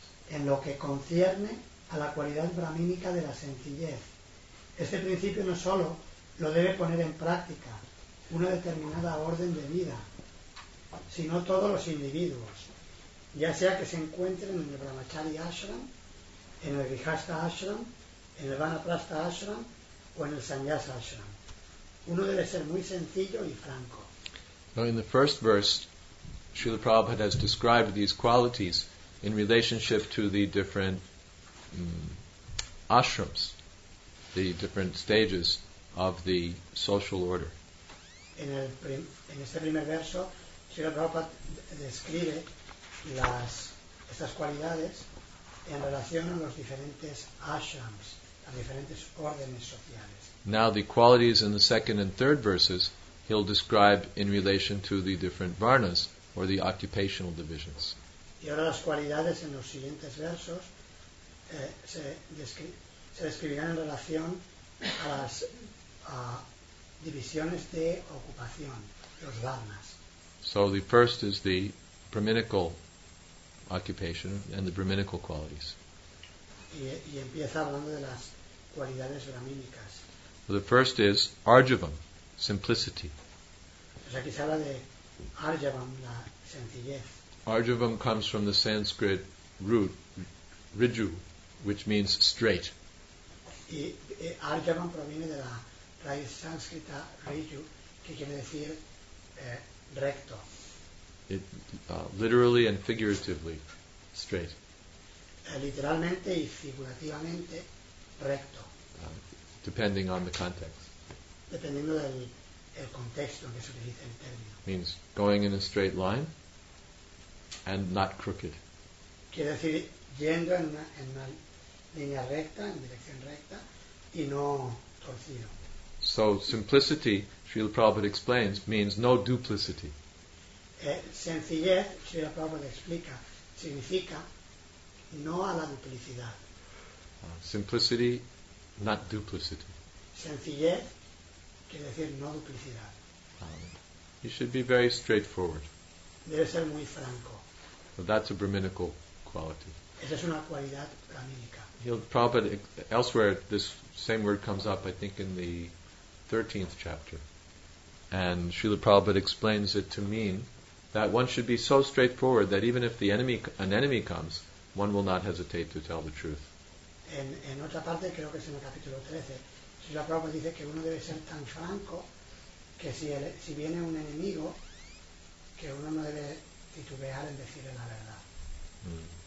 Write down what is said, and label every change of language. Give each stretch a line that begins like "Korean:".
Spanish: En lo que concierne a la cualidad brahmínica de la sencillez, este principio no solo lo debe poner en práctica una determinada orden de vida, sino todos los individuos, ya sea que se encuentren en el Brahmachari Ashram, en el Grihastha Ashram, en el Vanaprastha Ashram o en el Sannyasa Ashram. Uno debe ser muy sencillo y franco.
English: Now in the first verse, Srila Prabhupada has described these qualities in relationship to the different ashrams, the different stages of the social order.
Spanish: En este primer verso, Srila Prabhupada describe estas cualidades en relación a los diferentes ashrams, a diferentes órdenes sociales.
English: Now the qualities in the second and third verses he'll describe in relation to the different varnas or the occupational divisions.
Spanish: Y ahora las cualidades en los siguientes versos se describirán en relación a las divisiones de ocupación, los varnas.
English: So the first is the brahminical occupation and the brahminical qualities.
Spanish: Y empieza hablando de las cualidades brahmínicas.
English: Well, the first is arjavam, simplicity.
Spanish: Pues aquí se habla de arjavam, la sencillez.
English: Arjavam comes from the Sanskrit root riju, which means straight.
Spanish: Y arjavam proviene de la raíz sánscrita riju, que quiere decir recto.
English: It literally and figuratively straight.
Spanish: Literalmente y figurativamente recto.
English: Depending on the context.
Spanish: Dependiendo del el contexto en que se utiliza el término.
English: Means going in a straight line and not crooked.
Spanish: Quiere decir yendo en una línea recta, en dirección recta y no torcido.
English: So simplicity, Srila Prabhupada explains, means no duplicity.
Spanish: Sencillez, Srila Prabhupada explica, significa no a la duplicidad.
English: Simplicity, not duplicity.
Spanish: Sencillez quiere decir no duplicidad.
English: You should be very straightforward.
Spanish: Debe ser muy franco.
English: Well, that's a brahminical quality.
Spanish: Esa es una cualidad brahmínica.
English: Prabhupada, elsewhere, this same word comes up, I think, in the 13th chapter. And Srila Prabhupada explains it to mean that one should be so straightforward that even if an enemy comes, one will not hesitate to tell the truth.
Spanish: En otra parte, creo que es en el capítulo 13, Srila Prabhupada dice que uno debe ser tan franco que si viene un enemigo, que uno no debe titubear en decirle la verdad.